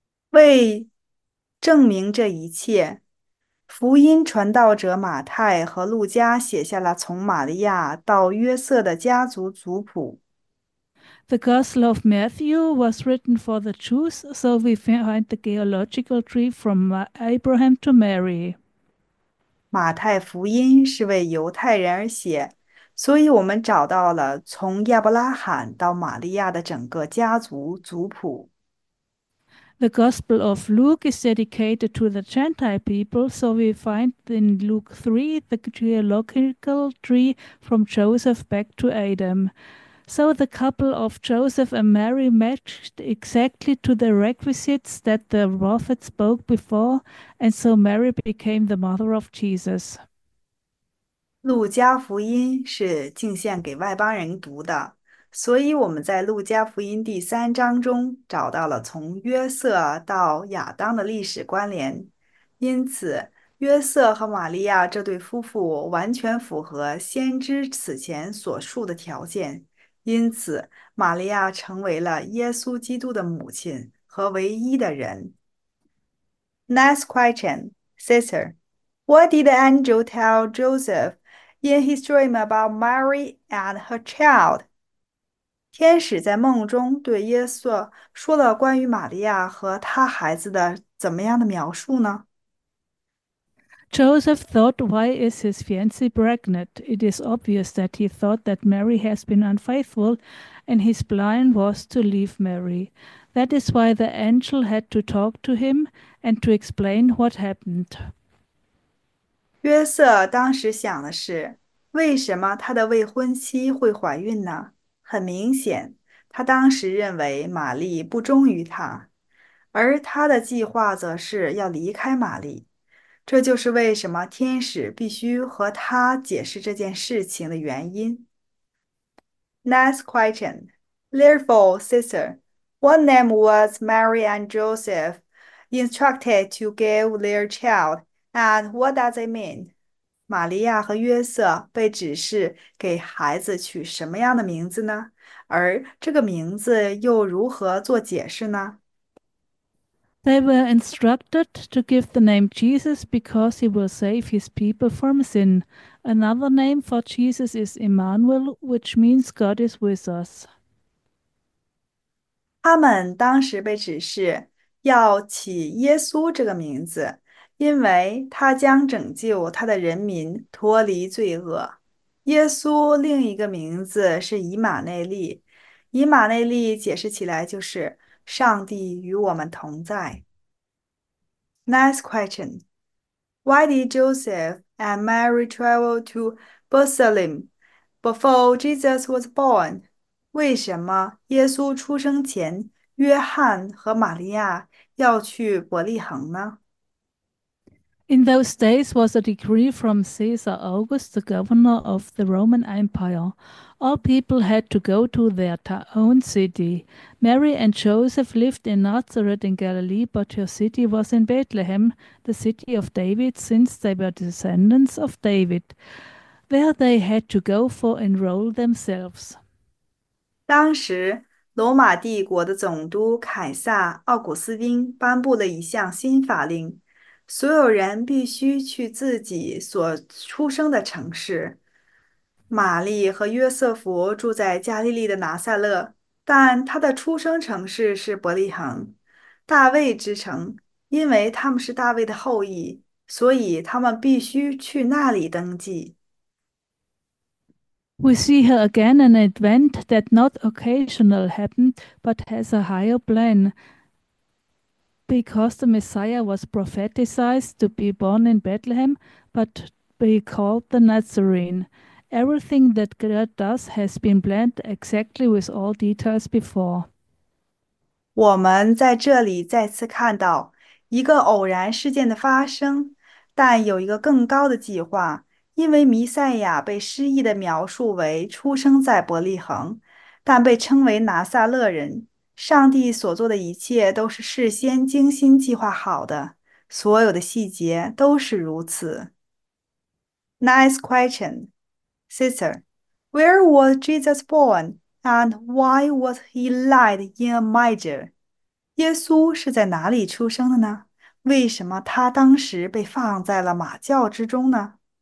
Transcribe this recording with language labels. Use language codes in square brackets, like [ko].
[zh] 为证明这一切，福音传道者马太和路加写下了从玛利亚到约瑟的家族族谱。 [en] The Gospel of Matthew was written for the Jews, so we find the genealogical tree from Abraham to Mary. [zh] 马太福音是为犹太人而写，所以我们找到了从亚伯拉罕到玛利亚的整个家族族谱。 [en] The Gospel of Luke is dedicated to the Gentile people, so we find in Luke 3 the genealogical tree from Joseph back to Adam. So the couple of Joseph and Mary matched exactly to the requisites that the prophet spoke before, and so Mary became the mother of Jesus. [zh] 路加福音是敬献给外邦人读的，所以我们在路加福音第三章中找到了从约瑟到亚当的历史关联。因此，约瑟和玛利亚这对夫妇完全符合先知此前所述的条件。因此，玛利亚成为了耶稣基督的母亲和唯一的人。 [en] Next question, sister. What did the angel tell Joseph in his dream about Mary and her child? [zh] 天使在梦中对耶稣说了关于玛利亚和他孩子的怎么样的描述呢？ [en] Joseph thought, why is his fiancée pregnant? It is obvious that he thought that Mary has been unfaithful, and his plan was to leave Mary. That is why the angel had to talk to him and to explain what happened. [zh] 约瑟当时想的是，为什么他的未婚妻会怀孕呢？很明显，他当时认为玛丽不忠于他，而他的计划则是要离开玛丽。这就是为什么天使必须和他解释这件事情的原因。 [en] Next question. Therefore, sister, what name was Mary and Joseph instructed to give their child? And what does it mean? [zh] 玛利亚和约瑟被指示给孩子取什么样的名字呢？而这个名字又如何做解释呢？ [en] They were instructed to give the name Jesus because he will save his people from sin. Another name for Jesus is Emmanuel, which means God is with us. [zh] 他们当时被指示要起耶稣这个名字。因为他将拯救他的人民脱离罪恶。耶稣另一个名字是以马内利，以马内利解释起来就是上帝与我们同在。 [en] Next question. Why did Joseph and Mary travel to Bethlehem before Jesus was born? [zh] 为什么耶稣出生前，约翰和玛利亚要去伯利恒呢？ [en] In those days was a decree from Caesar Augustus, the governor of the Roman Empire. All people had to go to their own city. Mary and Joseph lived in Nazareth in Galilee, but her city was in Bethlehem, the city of David, since they were descendants of David. There they had to go for enroll themselves. [zh] 当时，罗马帝国的总督凯撒·奥古斯丁颁布了一项新法令，所有人必须去自己所出生的城市。玛丽和约瑟夫住在加利利的拿撒勒，但他的出生城市是伯利恒，大卫之城，因为他们是大卫的后裔，所以他们必须去那里登记。 [en] We see here again an event that not occasional happened, but has a higher plan. Because the Messiah was prophesied to be born in Bethlehem, but be called the Nazarene. Everything that God does has been planned exactly with all details before. [zh] 我们在这里再次看到一个偶然事件的发生，但有一个更高的计划。因为弥赛亚被诗意地描述为出生在伯利恒，但被称为拿撒勒人，上帝所做的一切都是事先精心计划好的，所有的细节都是如此。 [en] Nice question. Sister, where was Jesus born and why was he laid in a manger? [zh] 耶稣是在哪里出生的呢？为什么他当时被放在了马厩之中呢？